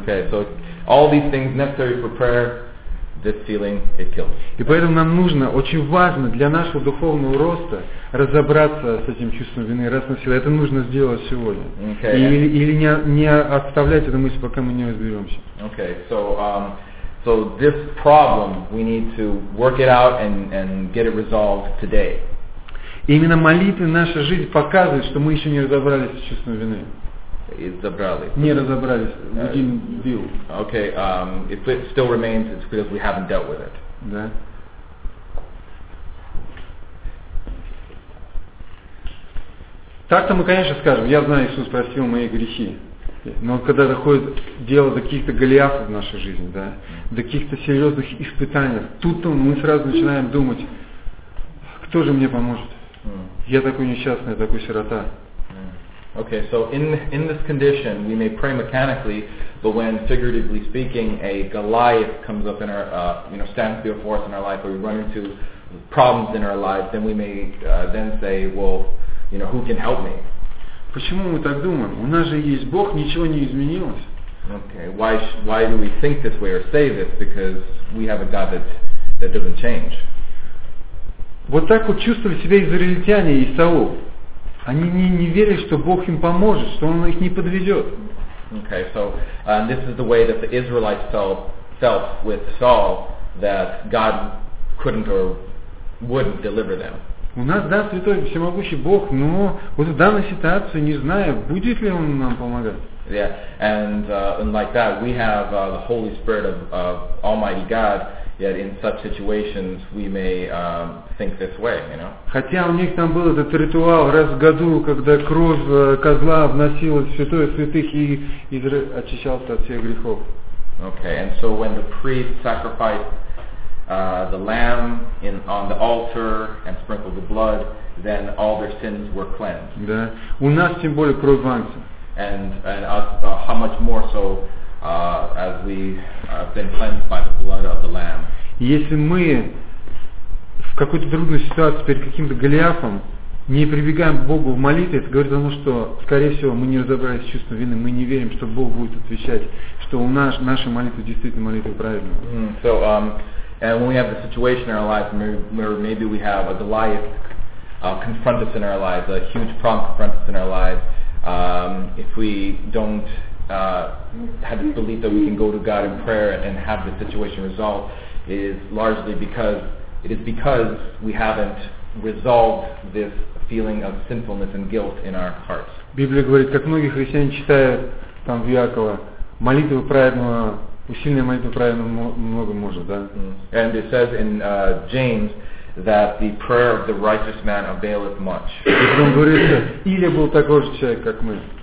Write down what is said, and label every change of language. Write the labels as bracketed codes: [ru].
[en] Okay, so all these things necessary for prayer, this feeling it kills. [ru] И поэтому нам нужно, очень важно для нашего духовного роста разобраться с этим чувством вины раз навсегда. Это нужно сделать сегодня. [en] Okay. [ru] Или не оставлять эту мысль, пока мы не разберемся. [en] Okay, so So this problem, we need to work it out and get it resolved today. [ru] Именно молитвы наша жизнь показывает, что мы еще не разобрались с чувством вины. Не разобрались. [en] We didn't deal. Okay. If it still remains, it's because we haven't dealt with it. [ru] Да. Так-то мы, конечно, скажем: я знаю, Иисус простил мои грехи. Но когда доходит дело до каких-то Голиафов в нашей жизни, да, до каких-то серьезных испытаний, тут мы сразу начинаем думать, кто же мне поможет? Я такой несчастный, я такой сирота. [en] Okay, so in this condition, we may pray mechanically, but when figuratively speaking, a Goliath comes up in our, stands before us in our life, or we run into problems in our life, then we may then say, well, you know, who can help me? [ru] Почему мы так думаем? У нас же есть Бог, ничего не изменилось. [en] Okay. Why do we think this way or say this? Because we have a God that doesn't change. [ru] Вот так вот чувствовали себя израильтяне и Саул. Они не верили, что Бог им поможет, что Он их не подведет. [en] Okay, so this is the way that the Israelites felt with Saul, that God couldn't or wouldn't deliver them. [ru] У нас, да, святой всемогущий Бог, но вот в данной ситуации, не знаю, будет ли Он нам помогать. [en] Yeah, and like that, we have the Holy Spirit of Almighty God, yet in such situations we may think this way, you know. [ru] Хотя у них там был этот ритуал раз в году, когда кровь козла вносилась в святое святых и очищался от всех грехов. [en] Okay, and so when the priest sacrificed the lamb on the altar and sprinkled the blood, then all their sins were cleansed. [ru] Да. У нас тем более кровь в Агнце. [en] And us, how much more so as we have been cleansed by the blood of the lamb. [ru] Если мы в какой-то трудной ситуации перед каким-то Голиафом не прибегаем к Богу в молитве, это говорит о том, что, скорее всего, мы не разобрались с чувством вины, мы не верим, что Бог будет отвечать, что у нас наша молитва действительно молитва правильная. [en] And when we have the situation in our lives where maybe we have a Goliath confront us in our lives, a huge problem confront us in our lives, if we don't have this belief that we can go to God in prayer and have the situation resolved, it is because we haven't resolved this feeling of sinfulness and guilt in our hearts. [ru] Библия говорит, как многие христиане читают там в Иакова, молитву праведного. Усиленная молитва праведного много может, да? [en] And it says in James that the prayer of the righteous man availeth much. [ru] И потом говорится, Илия был такой же человек, как мы.